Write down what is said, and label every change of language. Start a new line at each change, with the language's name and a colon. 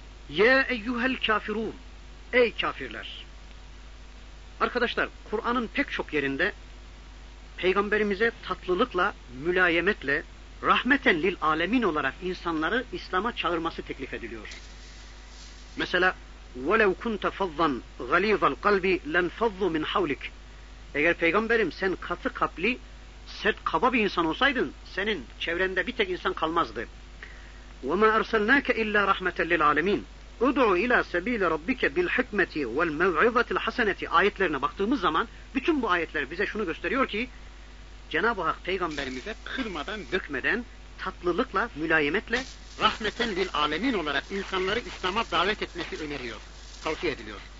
Arabic: Ye eyyuhel kafirun.
Turkish: Ey kafirler. Arkadaşlar, Kur'an'ın pek çok yerinde peygamberimize tatlılıkla, mülayemetle, rahmeten lil alemin olarak insanları İslam'a çağırması teklif ediliyor.
Arabic: Mesela وَلَوْ كُنْتَ فَضَّنْ غَل۪يظَ الْقَلْبِ لَنْ فَضُّ مِنْ حَوْلِكِ.
Turkish: Eğer peygamberim sen katı kalpli, sert, kaba bir insan olsaydın, senin çevrende bir tek insan kalmazdı.
Arabic: وَمَا أَرْسَلْنَاكَ اِلَّا رَحْمَةً لِلْعَالَمِينَ اُدْعُوا اِلَى سَب۪يلَ رَبِّكَ بِالْحِكْمَةِ وَالْمَوْعِظَةِ الْحَسَنَةِ
Turkish: ayetlerine baktığımız zaman, bütün bu ayetler bize şunu gösteriyor ki, Cenab-ı Hak peygamberimize kırmadan, dökmeden, tatlılıkla, mülayemetle, rahmeten lil alemin olarak insanları İslam'a davet etmesi öneriyor, tavsiye ediliyor.